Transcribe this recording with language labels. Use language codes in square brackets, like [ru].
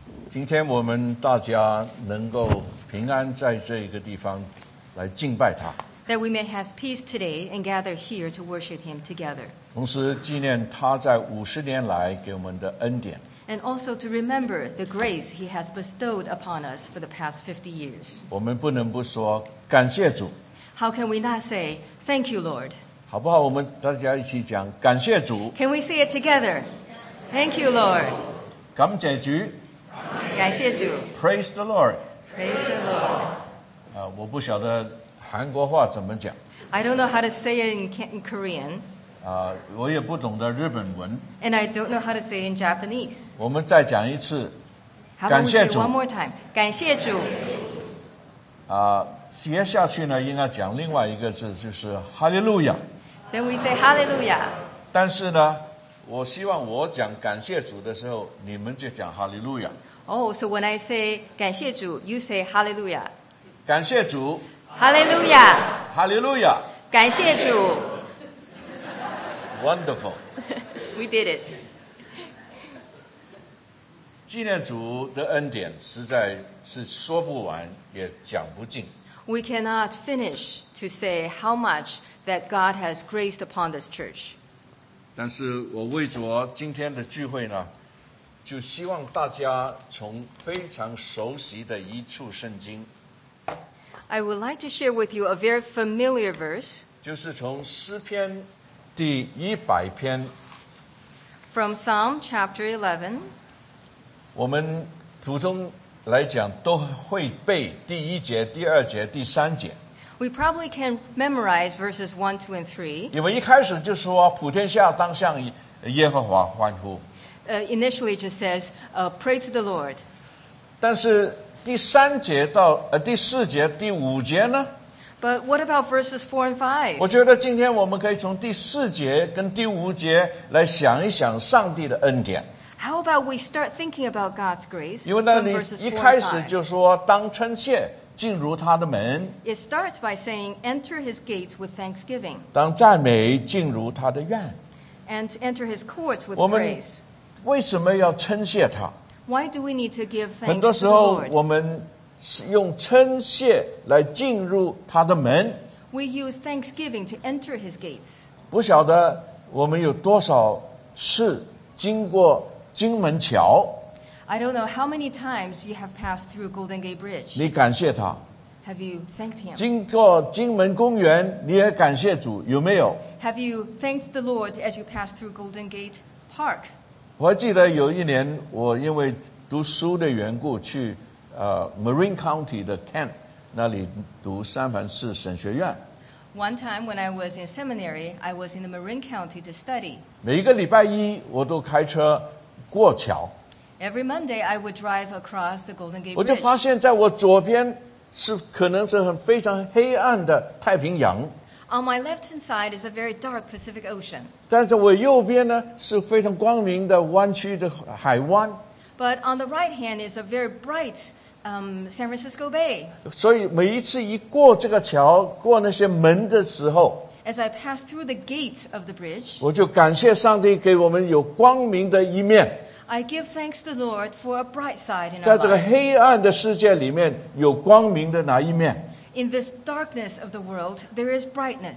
[zh] 今天我们大家能够平安在这个地方来敬拜他。 [en] That we may have peace today and gather here to worship him together. [zh] 同时纪念他在五十年来给我们的恩典。 [en] And also to remember the grace he has bestowed upon us for the past 50 years. [zh] 我们不能不说感谢主。 [en] How can we not say thank you, Lord? [zh] 好不好？我们大家一起讲感谢主。 [en] Can we say it together? Thank you, Lord. [zh] 感谢主。感谢主。 [en] Praise the Lord. Praise the Lord. [zh] 我不晓得韩国话怎么讲。 [en] I don't know how to say it in Korean. [zh] 我也不懂得日本文。 [en] And I don't know how to say it in Japanese. [zh] 我们再讲一次。感谢主。 [en] One more time. [zh] 感谢主。接下去呢，应该讲另外一个字，就是 Hallelujah. [en] Then we say Hallelujah. [zh] 但是呢，我希望我讲感谢主的时候，你们就讲 Hallelujah. [en] Oh, so when I say [zh] 感谢主 [en] ，you say Hallelujah. [zh] 感谢主 [en] ，Hallelujah. Hallelujah. [zh] 感谢主。 [en] Wonderful. We did it. [zh] 纪念主的恩典实在是说不完，也讲不尽。 [en] We cannot finish to say how much that God has graced upon this church. [zh] 但是我为着今天的聚会呢，就希望大家从非常熟悉的一处圣经。 [en] I would like to share with you a very familiar verse. [zh] 就是从诗篇第一百篇。 [en] From Psalm chapter 11. [zh] 我们普通来讲都会背第一节、第二节、第三节。 [en] We probably can memorize verses 1, 2, and 3. [zh] 因为一开始就说普天下当向耶和华欢呼。 [en] Initially, it just says, pray to the Lord. [zh] 但是第三节到第四节、第五节呢？ [en] But what about verses 4 and 5? [zh] 我觉得今天我们可以从第四节跟第五节来想一想上帝的恩典。 [en] How about we start thinking about God's grace from verses 4 and 5? [zh] 因为那里一开始就说当称谢进入他的门。 [en] It starts by saying, enter his gates with thanksgiving. [zh] 当赞美进入他的院。 [en] And enter his courts with praise. [zh] 为什么要称谢他？ [en] Why do we need to give thanks? [zh] 很多时候我们用称谢来进入他的门。 [en] We use thanksgiving to enter his gates. [zh] 不晓得我们有多少次经过金门桥。 [en] I don't know how many times you have passed through Golden Gate Bridge. [zh] 你感谢他。 [en] Have you thanked him? [zh] 经过金门公园，你也感谢主，有没有？ [en] Have you thanked the Lord as you passed through Golden Gate Park? [zh] 我还记得有一年我因为读书的缘故去Marin County 的 Kent 那里读三藩市神学院。 [en] One time when I was in seminary, I was in the Marin County to study. [zh] 每一个礼拜一我都开车过桥。 [en] Every Monday I would drive across the Golden Gate Bridge. [zh] 我就发现在我左边是可能是很非常黑暗的太平洋。 [en] On my left-hand side is a very dark Pacific Ocean. [zh] 但是我右边呢是非常光明的弯曲的海湾。 [en] But on the right hand is a very bright, San Francisco Bay. [zh] 所以每一次一过这个桥，过那些门的时候 [en] ，As I pass through the gate of the bridge, [zh] 我就感谢上帝给我们有光明的一面。 [en] I give thanks to the Lord for a bright side in our lives. [zh] 在这个黑暗的世界里面，有光明的那一面。 [en] In this darkness of the world, there is brightness.